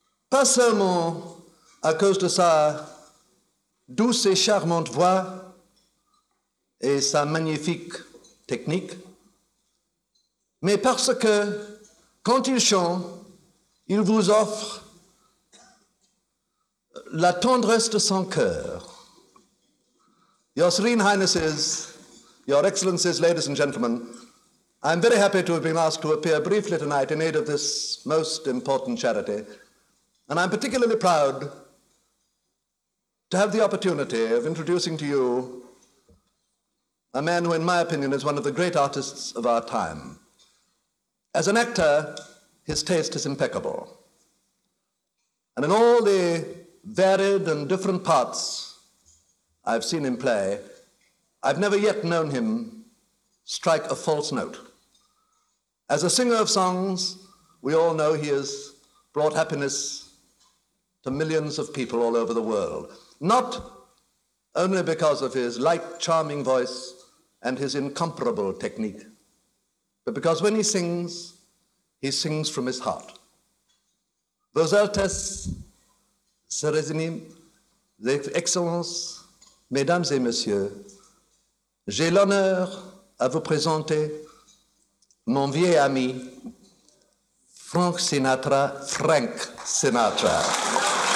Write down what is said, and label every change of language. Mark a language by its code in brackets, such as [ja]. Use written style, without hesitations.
[fr] Pas seulement à cause de sa douce et charmante voix et sa magnifique technique, mais parce que quand il chante, il vous offre la tendresse de son cœur. [en] Your Serene Highnesses, Your Excellencies, ladies and gentlemen, I'm very happy to have been asked to appear briefly tonight in aid of this most important charity, and I'm particularly proud to have the opportunity of introducing to you a man who, in my opinion, is one of the great artists of our time. As an actor, his taste is impeccable. And in all the varied and different parts I've seen him play, I've never yet known him strike a false note. As a singer of songs, we all know he has brought happiness to millions of people all over the world. Not only because of his light, charming voice and his incomparable technique, but because when he sings from his heart. [fr] Vos Altesses Serenissimes, Excellences, Mesdames et Messieurs, j'ai l'honneur à vous présenter mon vieil ami, Frank Sinatra.